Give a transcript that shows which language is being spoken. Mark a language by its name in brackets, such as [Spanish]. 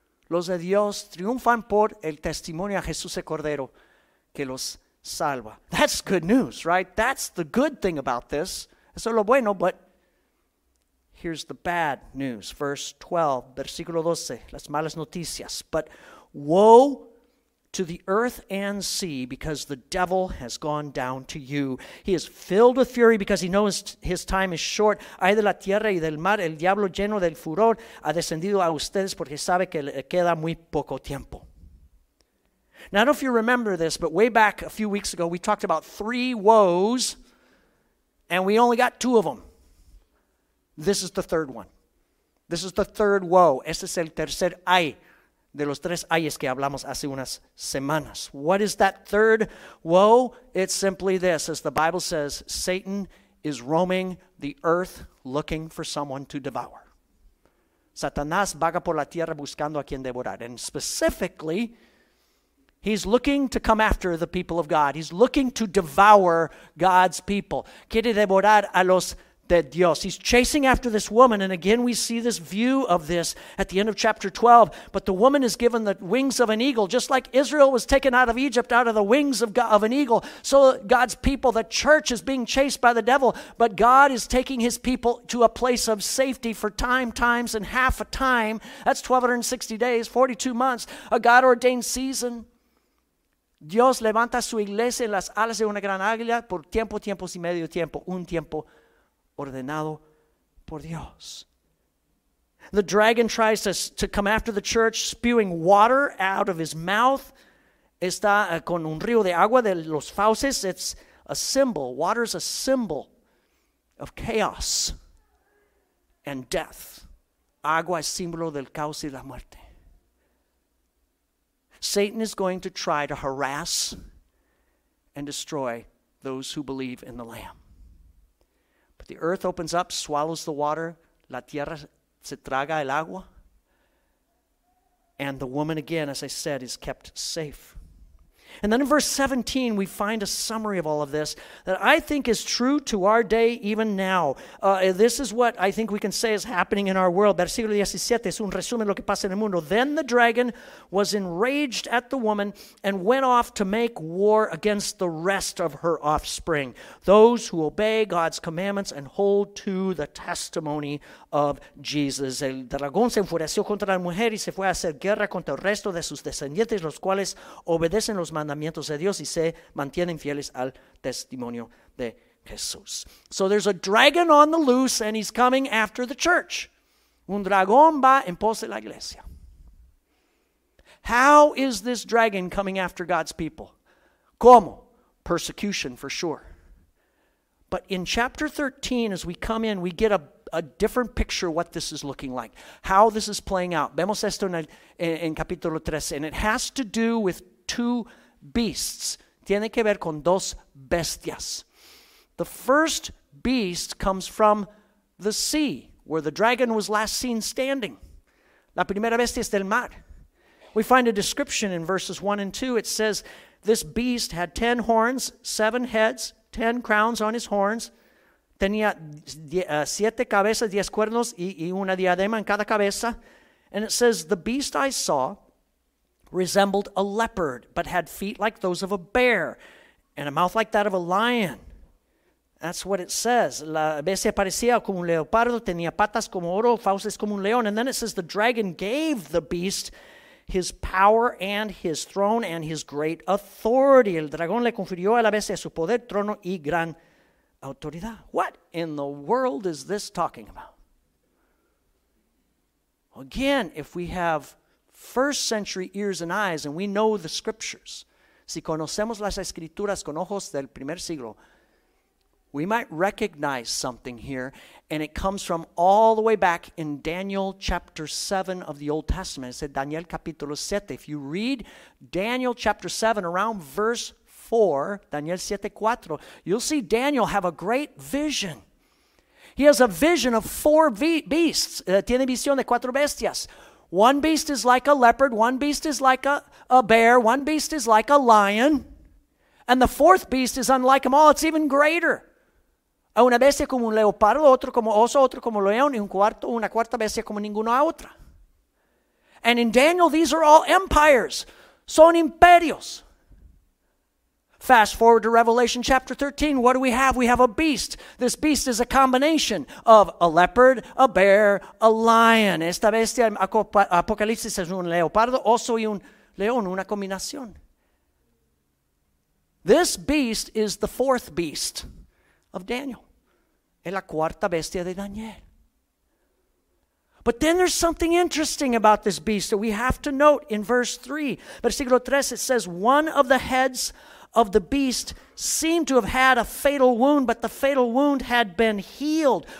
[Spanish] Los de Dios triunfan por el testimonio a Jesús el Cordero que los salva. [English] That's good news, right? That's the good thing about this. [Spanish] Eso es lo bueno, [English] but here's the bad news, verse 12, [Spanish] versículo 12, las malas noticias. [English] But woe to the earth and sea because the devil has gone down to you. He is filled with fury because he knows his time is short. [Spanish] Ay de la tierra y del mar, el diablo lleno del furor ha descendido a ustedes porque sabe que le queda muy poco tiempo. [English] Now, I don't know if you remember this, but way back a few weeks ago, we talked about three woes and we only got two of them. This is the third one. This is the third woe. [Spanish] Este es el tercer ay de los tres ayes que hablamos hace unas semanas. [English] What is that third woe? It's simply this. As the Bible says, Satan is roaming the earth looking for someone to devour. [Spanish] Satanás vaga por la tierra buscando a quien devorar. [English] And specifically, he's looking to come after the people of God. He's looking to devour God's people. [Spanish] Quiere devorar a los de Dios. [English] He's chasing after this woman, and again we see this view of this at the end of chapter 12, but the woman is given the wings of an eagle, just like Israel was taken out of Egypt out of the wings of God, of an eagle. So God's people, the church, is being chased by the devil, but God is taking his people to a place of safety for time, times, and half a time. That's 1260 days, 42 months, a God-ordained season. [Spanish] Dios levanta su iglesia en las alas de una gran águila por tiempo, tiempos y medio tiempo, un tiempo ordenado por Dios. [English] The dragon tries to come after the church, spewing water out of his mouth. [Spanish] Está con un río de agua de los fauces. [English] It's a symbol. Water is a symbol of chaos and death. [Spanish] Agua es símbolo del caos y la muerte. [English] Satan is going to try to harass and destroy those who believe in the Lamb. But the earth opens up, swallows the water. [Spanish] La tierra se traga el agua. [English] And the woman, again, as I said, is kept safe. And then in verse 17, we find a summary of all of this that I think is true to our day even now. This is what I think we can say is happening in our world. [Spanish] Versículo 17 es un resumen de lo que pasa en el mundo. [English] Then the dragon was enraged at the woman and went off to make war against the rest of her offspring, those who obey God's commandments and hold to the testimony of Jesus. [Spanish] El dragón se enfureció contra la mujer y se fue a hacer guerra contra el resto de sus descendientes, los cuales obedecen los mandamientos de Dios y se mantienen fieles al testimonio de Jesús. [English] So there's a dragon on the loose and he's coming after the church. [Spanish] Un dragón va en pos de la iglesia. [English] How is this dragon coming after God's people? [Spanish] ¿Cómo? [English] Persecution for sure. But in chapter 13, as we come in, we get a different picture of what this is looking like, how this is playing out. [Spanish] Vemos esto en capítulo 13, [English] and it has to do with two beasts. [Spanish] Tiene que ver con dos bestias. [English] The first beast comes from the sea, where the dragon was last seen standing. [Spanish] La primera bestia es del mar. [English] We find a description in verses 1 and 2. It says, this beast had 10 horns, 7 heads, 10 crowns on his horns. [Spanish] Tenía 7 cabezas, 10 cuernos y una diadema en cada cabeza. [English] And it says, the beast I saw resembled a leopard, but had feet like those of a bear and a mouth like that of a lion. That's what it says. [Spanish] La bestia parecía como un leopardo, tenía patas como oro, fauces como un león. [English] And then it says, the dragon gave the beast his power and his throne and his great authority. [Spanish] El dragón le confirió a la bestia su poder, trono y gran autoridad. [English] What in the world is this talking about? Again, if we have first century ears and eyes and we know the scriptures, [Spanish] si conocemos las escrituras con ojos del primer siglo, [English] we might recognize something here, and it comes from all the way back in Daniel chapter 7 of the Old Testament. It said Daniel capítulo 7. If you read Daniel chapter 7 around verse 4, Daniel 7, 4, you'll see Daniel have a great vision. He has a vision of four beasts. [Spanish] Tiene visión de cuatro bestias. [English] One beast is like a leopard. One beast is like a bear. One beast is like a lion. And the fourth beast is unlike them all. It's even greater. [Spanish] A una bestia como un leopardo, otro como oso, otro como león, y una cuarta bestia como ninguna otra. [English] And in Daniel, these are all empires. [Spanish] Son imperios. [English] Fast forward to Revelation chapter 13. What do we have? We have a beast. This beast is a combination of a leopard, a bear, a lion. [Spanish] Esta bestia en Apocalipsis es un leopardo, oso y un león, una combinación. [English] This beast is the fourth beast of Daniel. [Spanish] Es la cuarta bestia de Daniel. [English] But then there's something interesting about this beast that we have to note in verse 3. Versículo 3, it says, one of the heads of the beast seemed to have had a fatal wound, but the fatal wound had been healed.